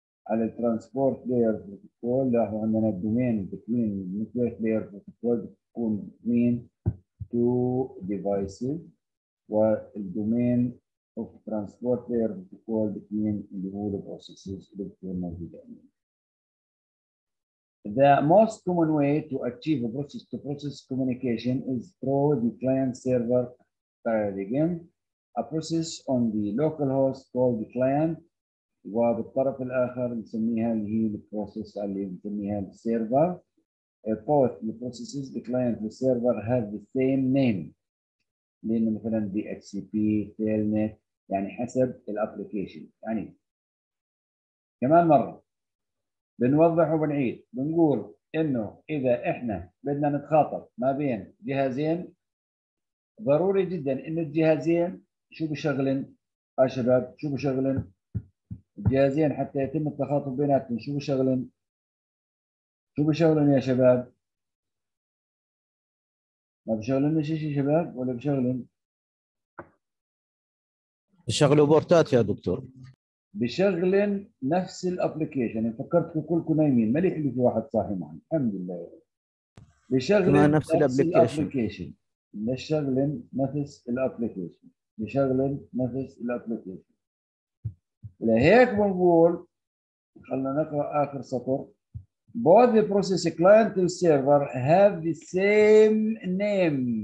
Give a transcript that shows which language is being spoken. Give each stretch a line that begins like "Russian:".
Arabic: على الترانسبورت لاير بروتوكول لاحظوا عندنا الدومين بين نتورك لاير بروتوكول بتكون بين تو ديفايسز، والدومين اوف ترانسبورت لاير بروتوكول بين اللي هو البروسيسز اللي بتكون موجوده.
English: The most common way to achieve a process-to-process communication is through the client-server paradigm. A process on the local host called the client,
Arabic: وبالطرف الآخر نسميها اللي هي the process اللي نسميها
English: the server. Both the processes, the client, the server have the same name.
Arabic: لأن مثلاً DHCP, Telnet يعني حسب الابليكيشن. يعني كمان مرة بنوضح وبنعيد، بنقول انه اذا احنا بدنا نتخاطب ما بين جهازين ضروري جدا انه الجهازين شو بشغلن يا شباب، شو بشغلن الجهازين حتى يتم التخاطب بيناتهم، شو بشغلن يا شباب؟ ما بشغلن شي شباب ولا بشغلن؟ بشغلوا بورتات يا دكتور، بشغلن نفس الابليكيشن. فكرتكم كلكم نايمين، ما لي الا في واحد صاحي معي، الحمد لله. بشغلن نفس الابلكيشن بشغلن نفس الابلكيشن بشغلن نفس الابلكيشن. لهيك بنقول خلنا نقرا اخر سطر.
English: Both the process client and server have the same name.